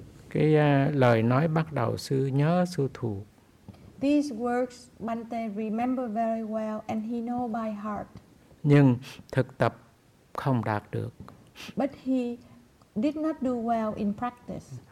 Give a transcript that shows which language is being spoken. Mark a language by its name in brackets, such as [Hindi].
[Vietnamese] Cái lời nói bắt đầu sư nhớ sư thuộc. [English] These words Bhante remember very well and he know by heart. [Vietnamese] Nhưng thực tập không đạt được. [English] But he did not do well in practice.